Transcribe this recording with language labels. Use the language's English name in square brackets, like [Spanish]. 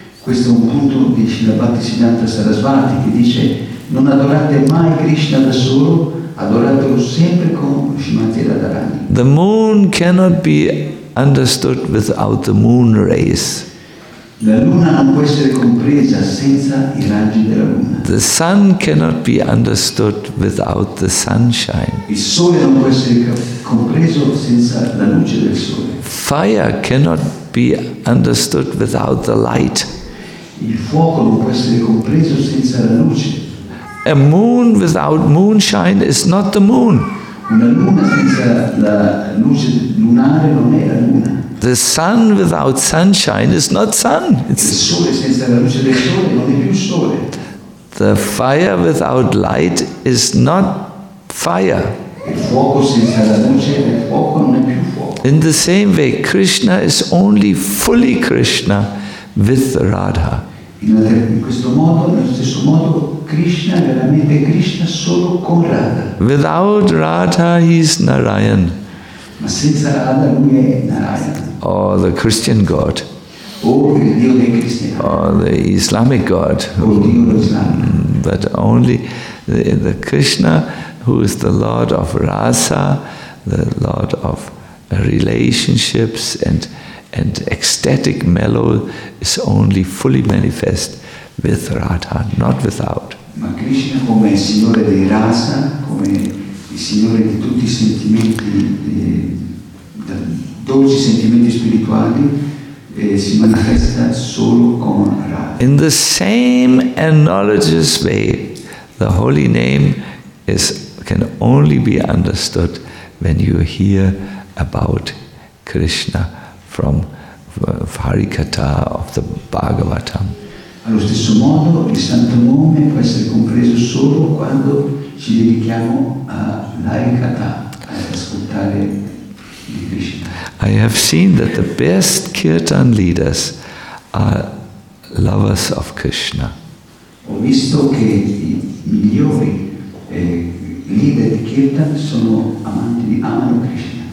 [Italian] Questo è un punto di Srila Bhaktisiddhanta Sarasvati che dice, non adorate mai Krishna da solo, adoratelo sempre con Srimati Radharani. [English] The moon cannot be understood without the moon rays. [Italian] La luna non può essere compresa senza I raggi della luna. [English] The sun cannot be understood without the sunshine. [Italian] Il sole non può essere compreso senza la luce del sole. [English] Fire cannot be understood without the light. [Italian] Il fuoco non può essere compreso senza la luce. [English] A moon without moonshine is not the moon. [Italian] Una luna senza la luce lunare non è la luna. [English] The sun without sunshine is not sun. [Italian] It's il sole senza la luce del sole non è più sole. [English] The fire without light is not fire. [Italian] Il fuoco senza la luce del fuoco non è più fuoco. [English] In the same way, Krishna is only fully Krishna with the Radha. [Italian] In questo modo, nello stesso modo, Krishna è veramente Krishna solo con Radha. [English] Without Radha, he is Narayan. [Italian] Ma senza Radha, lui è Narayan. [English] Or the Christian God. [Italian] Oh, il Dio dei cristiani. [English] Or the Islamic God. [Italian] Oh, Dio dell'Islam. [English] But only the Krishna, who is the Lord of Rasa, the Lord of relationships and ecstatic mellow, is only fully manifest with Radha, not without. [Italian] Ma Krishna come il signore dei rasa, come il signore di tutti i sentimenti, dolci sentimenti spirituali, si manifesta solo con Radha. [English] In the same analogous way, the holy name is can only be understood when you hear about Krishna from Harikatha of the Bhagavatam. [Italian] Allo stesso modo, il santo nome può essere compreso solo quando ci dedichiamo a Harikatha, ad ascoltare Krishna. [English] I have seen that the best kirtan leaders are lovers of Krishna. [Italian] Ho visto che i migliori leader di kirtan sono amanti di amano Krishna.